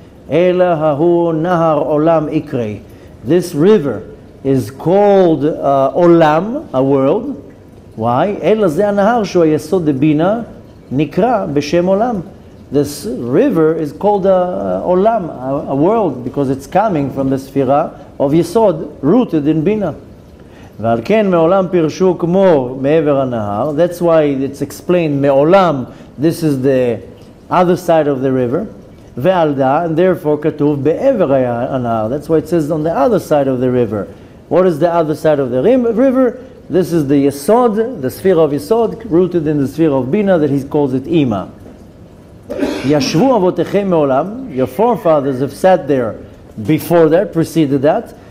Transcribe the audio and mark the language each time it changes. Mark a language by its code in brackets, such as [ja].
[he] Ela hahu nahar olam ikre. [en] This river is called Olam, a world. Why? [he] Ela ze anahar shu yesod de bina nikra b'shem Olam. [en] This river is called Olam, a world, because it's coming from the Sfira of Yesod, rooted in Bina. [he] ועל כן מעולם פירשו כמו מעבר הנהר. [en] That's why it's explained מעולם. This is the other side of the river. [he] ועל דה, [en] and therefore [he] כתוב בעבר הנהר. [en] That's why it says on the other side of the river. What is the other side of the river? This is the Yesod, the sphere of Yesod, rooted in the sphere of Bina, that he calls it Ima. [he] Yashvu avotechem me'olam, [en] your forefathers have sat there before that, preceded that.